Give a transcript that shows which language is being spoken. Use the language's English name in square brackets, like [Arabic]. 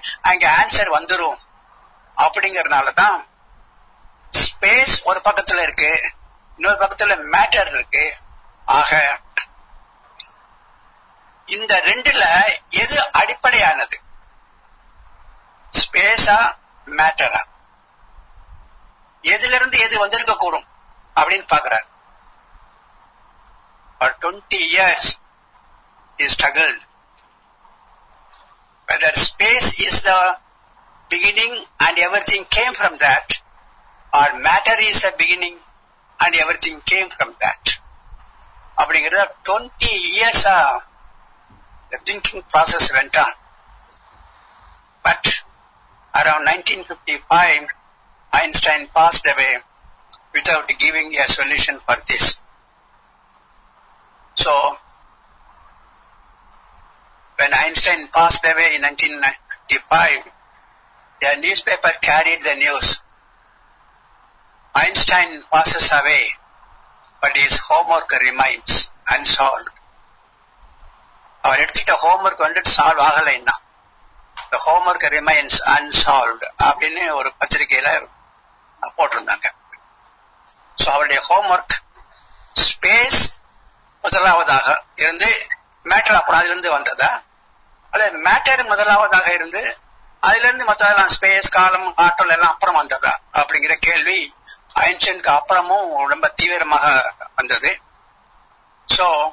[Tamil] அங்க ஆன்சர் வந்துரும் அப்படிங்கறனாலதான் ஸ்பேஸ் ஒரு பக்கத்துல இருக்கு இன்னொரு பக்கத்துல மேட்டர் இருக்கு ஆக இந்த ரெண்டுல எது அடிப்படையானது ஸ்பேஸா மேட்டரா எதிலிருந்து எது வந்திருக்க கூடும் அப்படின்னு பாக்குறாரு [English] For 20 years, he struggled. Whether space is the beginning and everything came from that, or matter is the beginning and everything came from that. அப்படிங்கறத 20 years the thinking process went on. But around 1955, Einstein passed away without giving a solution for this. So, When Einstein passed away in 1995, the newspaper carried the news. Einstein passes away, but his homework remains unsolved. [Tamil] அவர் எடுத்துட்ட homework வந்துட்டு solve ஆகலைன்னா [English] The homework remains unsolved. [Tamil] அப்படின்னு ஒரு பத்திரிகையில போட்டிருந்தாங்க So அவருடைய homework space முதலாவதாக இருந்து மேட்டர் அப்புறம் அதிலிருந்து வந்ததா அது மேட்டர் முதலாவதாக இருந்து அதுல இருந்து மத்தால ஸ்பேஸ் காலம் ஆற்றல் எல்லாம் அப்புறம் வந்ததா அப்படிங்கிற கேள்வி ஐன்ஸ்டைனுக்கு அப்புறமும் ரொம்ப தீவிரமாக வந்தது சோ